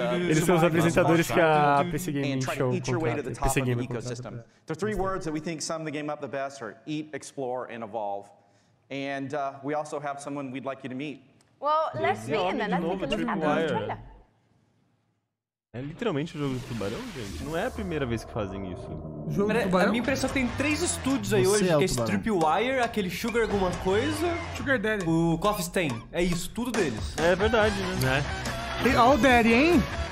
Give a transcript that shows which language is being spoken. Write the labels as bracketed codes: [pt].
[pt] Eles são os apresentadores que a PC Gaming Show contrata. [en] The three words that we think sum the game up the best are eat, explore, and evolve. And we also have someone we'd like you to meet. Well, let's meet and then let's take a look at the trailer. [pt] É literalmente o jogo do tubarão, gente. Não é a primeira vez que fazem isso. Jogo do tubarão? A minha impressão é que tem três estúdios aí hoje. Que é esse Tripwire, aquele Sugar alguma coisa. Sugar Daddy. O Coffee Stain. É isso, tudo deles. É verdade, né? Tem all Daddy, hein?